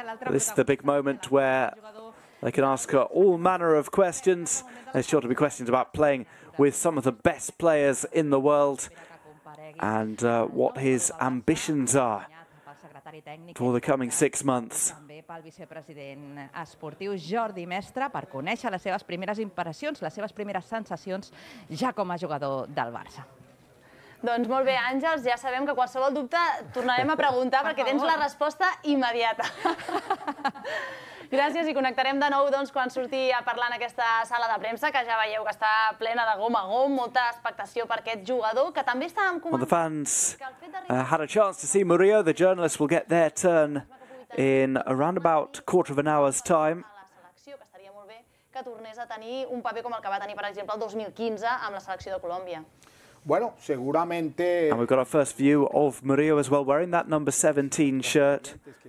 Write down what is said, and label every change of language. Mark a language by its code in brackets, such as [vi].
[en] This is the big moment where they can ask all manner of questions. There's sure to be questions about playing with some of the best players in the world and what his ambitions are for the coming 6 months. [ca] També pel vicepresident esportiu Jordi Mestre per conèixer les seves primeres impressions, les seves primeres sensacions ja com a jugador del Barça. Doncs molt bé, Àngels, ja sabem que qualsevol dubte tornarem a preguntar perquè tens la resposta immediata. Gràcies i connectarem de nou doncs, quan surti a parlar en aquesta sala de premsa, que ja veieu que està plena de gom a gom, molta expectació per aquest jugador, que també està en comentari. [en] Well, the fans had a chance to see Murillo. The journalists will get their turn in around about quarter of an hour's time. [ca] La selecció, que estaria molt bé que tornés a tenir un paper com el que va tenir, per exemple, el 2015 amb la selecció de Colòmbia. [es] Bueno, seguramente... [en] And we've got our first view of Murillo as well, wearing that number 17 shirt.